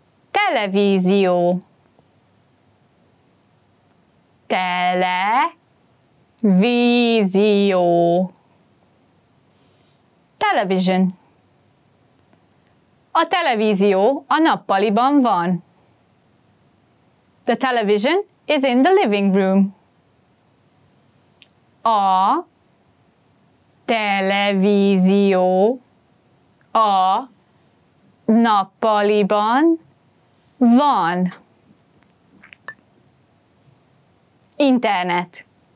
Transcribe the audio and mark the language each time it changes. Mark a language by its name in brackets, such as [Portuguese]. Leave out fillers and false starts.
[Hungarian] Televízió. Televízió. [English] Television. [Hungarian] A televízió a nappaliban van. [English] The television is in the living room. A [Hungarian] televízió a nappaliban van. Internet.